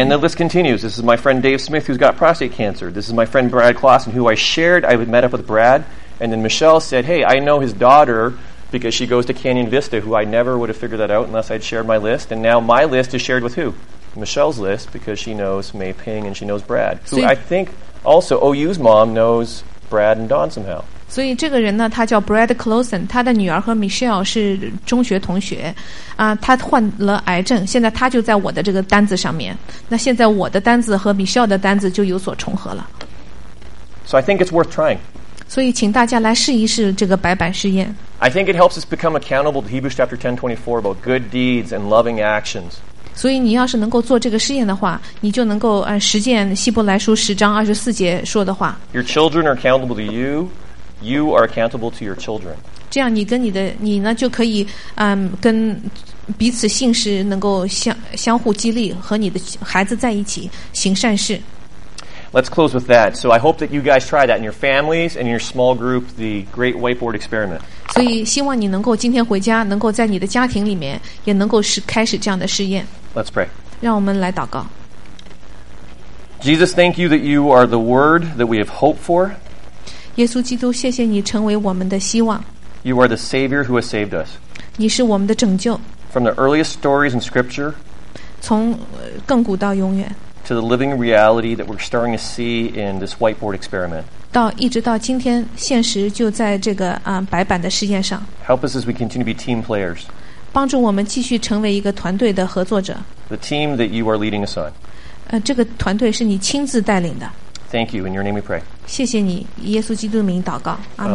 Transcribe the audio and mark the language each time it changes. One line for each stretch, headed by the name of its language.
English: And the list continues. This is my friend Dave Smith, who's got prostate cancer. This is my friend Brad Clausen, who I shared. I met up with Brad, and then Michelle said, "Hey, I know his daughter." Because she goes to Canyon Vista, who I never would have figured that out unless I'd shared my list. And now my list is shared with who? Michelle's list, because she knows Mei Ping and she knows Brad. Who I think also OU's mom knows Brad and Don somehow.
Chinese: 所以这个人呢，他叫 Brad Clausen， 他的女儿和 Michelle 是中学同学。他患了癌症，现在他就在我的这个单子上面。那现在我的单子和 Michelle 的单子就有所重合了。
English: So I think it's worth trying.
Chinese: 所以请大家来试一试这个白板试验。
English: I think it helps us become accountable to Hebrews chapter 10:24 about good deeds and loving actions.
Chinese: 所以你要是能够做这个试验的话，你就能够实践希伯来书十章二十四节说的话。
English: Your children are accountable to you. You are accountable to your children.
Chinese: 这样你呢就可以跟彼此信实能够相互激励，和你的孩子在一起行善事。
English: Let's close with that. So I hope that you guys try that in your families and in your small group, the great whiteboard experiment.
Chinese: 所以希望你能够今天回家，能够在你的家庭里面也能够开始这样的试验。
English: Let's pray.
Chinese: 让我们来祷告。
English: Jesus, thank you that you are the word that we have hoped for.
Chinese: 耶稣基督，谢谢你成为我们的希望。
English: You are the Savior who has saved us.
Chinese: 你是我们的拯救。
English: From the earliest stories in Scripture.
Chinese: 从亘古到永远。
English: To the living reality that we're starting to see in this whiteboard experiment.
Chinese: 到一直到今天，现实就在这个白板的试验上。
English: Help us as we continue to be team players.
Chinese: 帮助我们继续成为一个团队的合作者。
English: The team that you are leading us on.
Chinese: 这个团队是你亲自带领的。
English: Thank you. In your name we pray.
Chinese: 谢谢你，耶稣基督的名祷告。阿门。